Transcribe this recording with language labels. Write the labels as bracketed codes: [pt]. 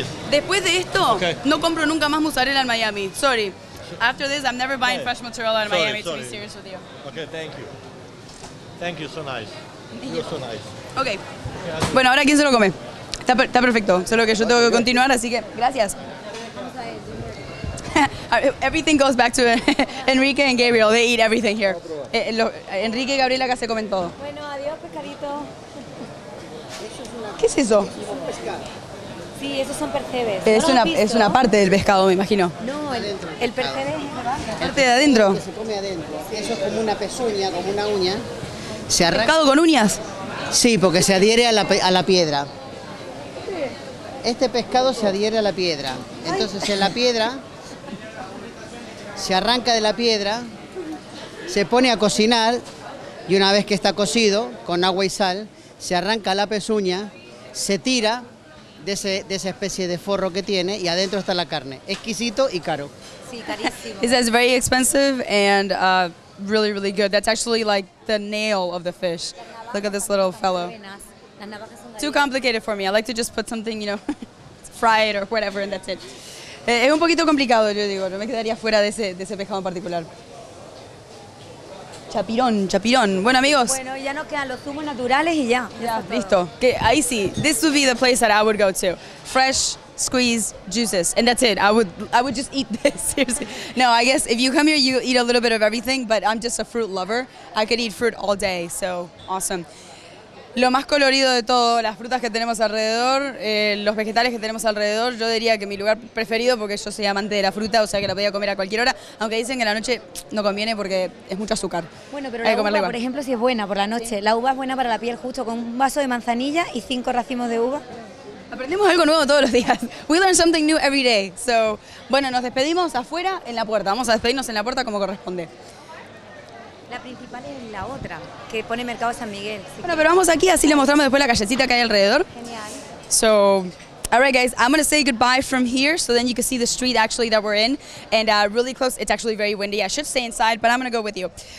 [es] después de esto, no compro nunca más mozzarella en Miami. [en] Sorry. After this, I'm never buying fresh mozzarella in Miami, to be serious with you. Okay, thank you. Thank you, so nice. You're so nice. [es] Okay. Bueno, ahora ¿quién se lo come? Está perfecto, solo que yo tengo que continuar, así que gracias. [en] Everything goes back to Enrique and Gabriel. They eat everything here. [es] Enrique y Gabriel acá se comen todo. Bueno, adiós, pescadito. ¿Qué es eso? Sí, esos son percebes. Es, ¿no una, es una parte del pescado, me imagino? No, el percebe es parte de adentro. Se come adentro. Eso es como una pezuña, como una uña. Se arranca. ¿Pescado con uñas? Sí, porque se adhiere a la piedra. Este pescado se adhiere a la piedra. Entonces, en la piedra, se arranca de la piedra, se pone a cocinar, y una vez que está cocido, con agua y sal, se arranca la pezuña, se tira... de esa especie de forro que tiene y adentro está la carne. Exquisito y caro. Sí, carísimo. [en] It says very expensive and really, really good. That's actually like the nail of the fish. Look at this little fellow. Too complicated for me. I like to just put something, you know, fry it or whatever and that's it. [es] Es un poquito complicado, yo digo. No me quedaría fuera de ese pescado en particular. Chapirón, chapirón. Bueno, amigos. Bueno, ya nos quedan los zumos naturales y ya. Ya, listo. Que ahí sí. [en] This would be the place that I would go to. Fresh, squeezed juices. And that's it. I would just eat this. Seriously. No, I guess if you come here, you eat a little bit of everything. But I'm just a fruit lover. I could eat fruit all day. So, awesome. [es] Lo más colorido de todo, las frutas que tenemos alrededor, los vegetales que tenemos alrededor. Yo diría que mi lugar preferido, porque yo soy amante de la fruta, o sea que la podía comer a cualquier hora. Aunque dicen que en la noche no conviene porque es mucho azúcar. Bueno, pero hay la uva, igual. Por ejemplo, si es buena por la noche. Sí. La uva es buena para la piel, justo con un vaso de manzanilla y 5 racimos de uva. Aprendemos algo nuevo todos los días. [en] We learn something new every day. [es] So, bueno, nos despedimos afuera en la puerta. Vamos a despedirnos en la puerta como corresponde. La principal es la otra, que pone Mercado San Miguel. Si bueno, pero vamos aquí, así le mostramos después la callecita que hay alrededor. Genial. [en] So, all right guys, I'm going to say goodbye from here, so then you can see the street actually that we're in. And really close, it's actually very windy. I should stay inside, but I'm going to go with you.